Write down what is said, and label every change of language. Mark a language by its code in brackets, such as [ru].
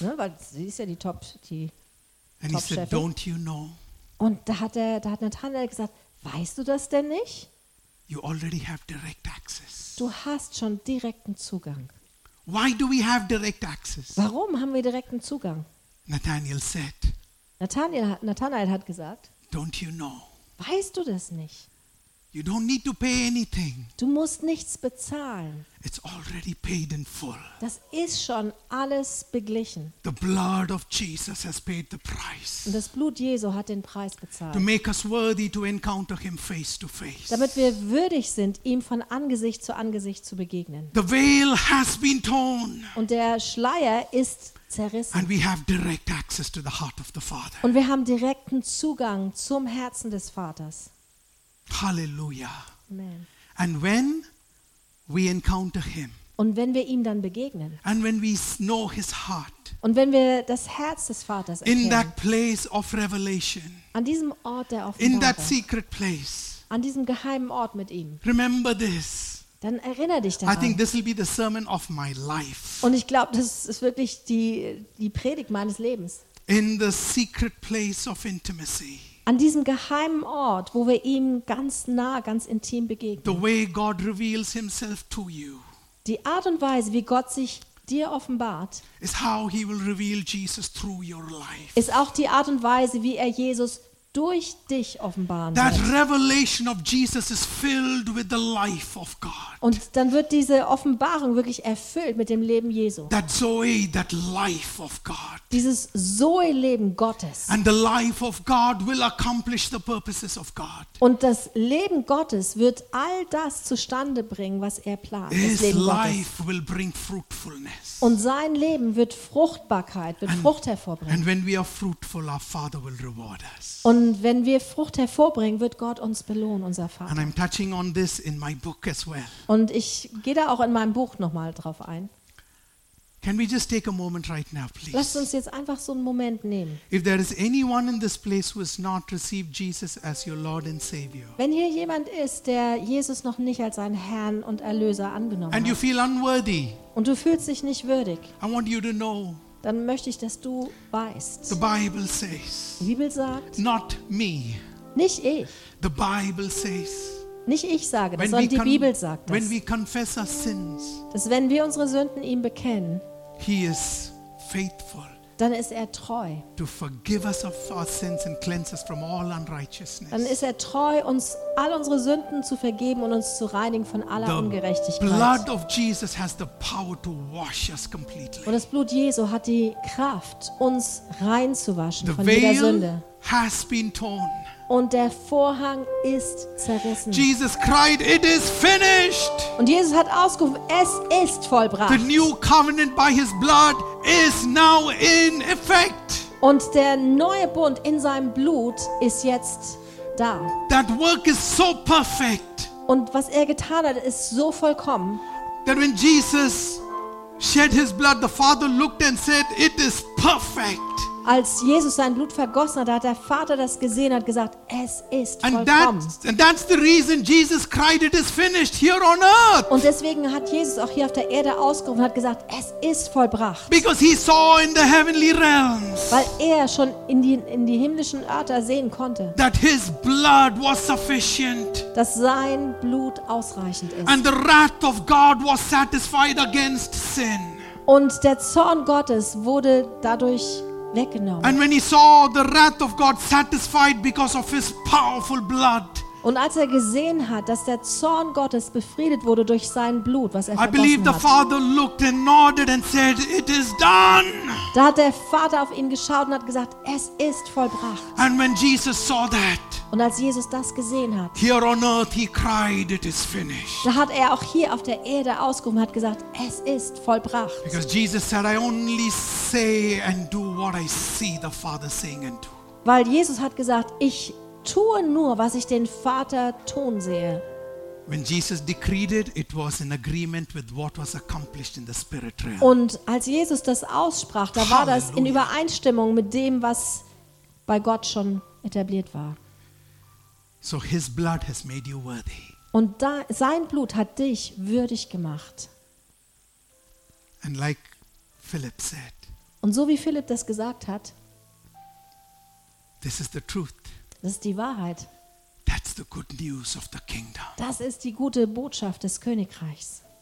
[de] Ne, weil sie ist ja die Top, die [en] And [de] top [en] he said, [de] Chefin. [en] "Don't you know?" [de] Und da hat Nathanael gesagt, weißt du das denn nicht? [en] You already have direct access. [de] Du hast schon direkten Zugang. [en] Why do we have direct access? [de] Warum haben wir direkten Zugang? [en] Nathanael said. [de] Nathanael hat gesagt. [en] Don't you know? [de] Weißt du das nicht? [en] You don't need to pay anything. [de] Du musst nichts bezahlen. [en] It's already paid in full. [de] Das ist schon alles beglichen. [en] The blood of Jesus has paid the price. [de] Und das Blut Jesu hat den Preis bezahlt. [en] To make us worthy to encounter him face to face. [de] Damit wir würdig sind, ihm von Angesicht zu Angesicht zu begegnen. [en] The veil has been torn. [de] Und der Schleier ist zerrissen. [en] And we have direct access to the heart of the Father. [de] Und wir haben direkten Zugang zum Herzen des Vaters. Hallelujah. Amen. [en] And when we encounter him. [de] Und wenn wir ihm dann begegnen. [en] And when we know his heart. [de] Und wenn wir das Herz des Vaters erkennen. [en] In that place of revelation. [de] An diesem Ort der Offenbarung. [en] In that secret place. [de] An diesem geheimen Ort mit ihm. [en] Remember this. [de] Dann erinnere dich daran. [en] I think this will be the sermon of my life. [de] Und ich glaube, das ist wirklich die Predigt meines Lebens. [en] In the secret place of intimacy. [de] An diesem geheimen Ort, wo wir ihm ganz nah, ganz intim begegnen. [en] The way God reveals himself to you. [de] Die Art und Weise, wie Gott sich dir offenbart, [en] is how he will reveal Jesus through your life. [de] Ist auch die Art und Weise, wie er Jesus durch dich offenbaren wird. [en] That revelation of Jesus is filled with the life of God. [de] Und dann wird diese Offenbarung wirklich erfüllt mit dem Leben Jesu. [en] That Zoe, that life of God. [de] Dieses Zoe-Leben Gottes. [en] And the life of God will accomplish the purposes of God. [de] Und das Leben Gottes wird all das zustande bringen, was er plant. [en] His life will bring fruitfulness. [de] Und sein Leben wird Fruchtbarkeit, wird Frucht hervorbringen. [en] And when we are fruitful, our Father will reward us. [de] Und wenn wir Frucht hervorbringen, wird Gott uns belohnen, unser Vater. [en] And I'm touching on this in my book as well. [de] Und ich gehe da auch in meinem Buch nochmal drauf ein. [en] Can we just take a moment right now, please? [de] Lasst uns jetzt einfach so einen Moment nehmen. [en] If there is anyone in this place who has not received Jesus as your Lord and Savior. [de] Wenn hier jemand ist, der Jesus noch nicht als seinen Herrn und Erlöser angenommen [en] and [de] hat. [en] You feel unworthy. [de] Und du fühlst dich nicht würdig. [en] I want you to know. [de] Dann möchte ich, dass du weißt. [en] The Bible says. [de] Die Bibel sagt. [en] Not me. [de] Nicht ich. [en] The Bible says. [de] Nicht ich sage das, sondern die Bibel sagt das. [en] When we confess our sins. [de] Dass wenn wir unsere Sünden ihm bekennen. [en] He is faithful. [de] Dann ist er treu. [en] To forgive us of our sins and cleanse us from all unrighteousness. [de] Dann ist er treu, uns all unsere Sünden zu vergeben und uns zu reinigen von aller [en] the [de] Ungerechtigkeit. [en] Blood of Jesus has the power to wash us completely. [de] Und das Blut Jesu hat die Kraft, uns reinzuwaschen [en] the [de] von jeder Sünde. [en] Has been torn. [de] Und der Vorhang ist zerrissen. [en] Jesus cried, it is finished. [de] Und Jesus hat ausgerufen, es ist vollbracht. [en] The new covenant by his blood is now in effect. [de] Und der neue Bund in seinem Blut ist jetzt da. [en] That work is so perfect. [de] Und was er getan hat, ist so vollkommen. [en] That when Jesus shed his blood, the Father looked and said, it is perfect. [de] Als Jesus sein Blut vergossen hat, hat der Vater das gesehen und hat gesagt, es ist vollkommen. [en] And that's the reason Jesus cried, it is finished here on earth. [de] Und deswegen hat Jesus auch hier auf der Erde ausgerufen und hat gesagt, es ist vollbracht. [en] Because he saw in the heavenly realms. [de] Weil er schon in die himmlischen Örter sehen konnte. [en] That his blood was sufficient. [de] Dass sein Blut ausreichend ist. [en] And the wrath of God was satisfied against sin. [de] Und der Zorn Gottes wurde dadurch weggenommen. [en] And when he saw the wrath of God satisfied because of his powerful blood. [de] Und als er gesehen hat, dass der Zorn Gottes befriedet wurde durch sein Blut, was er vergossen [en] hat. [de] I believe the Father looked and nodded and said, "It is done." [en] Da hat der Vater auf ihn geschaut und hat gesagt, es ist vollbracht. [de] And when Jesus saw that. [en] Und als Jesus das gesehen hat. [de] Here on earth he cried, "It is finished." [en] Da hat er auch hier auf der Erde ausgerufen und hat gesagt, es ist vollbracht. [de] Because Jesus said, "I only say and do what I see the Father saying and do." [en] Weil Jesus hat gesagt, ich tue nur, was ich den Vater tun sehe. [de] When Jesus decreed it, it was in agreement with what was accomplished in the spirit realm. [en] Und als Jesus das aussprach, da war das in Übereinstimmung mit dem, was bei Gott schon etabliert war. [de] So his blood has made you worthy. [en] Und da sein Blut hat dich würdig gemacht. [de] And like Philip said. [en] Und so wie Philip das gesagt hat. [de] This is the truth. [en] Das ist die Wahrheit. [de] That's the good news of the kingdom. [en] Das ist die gute Botschaft des Königreichs.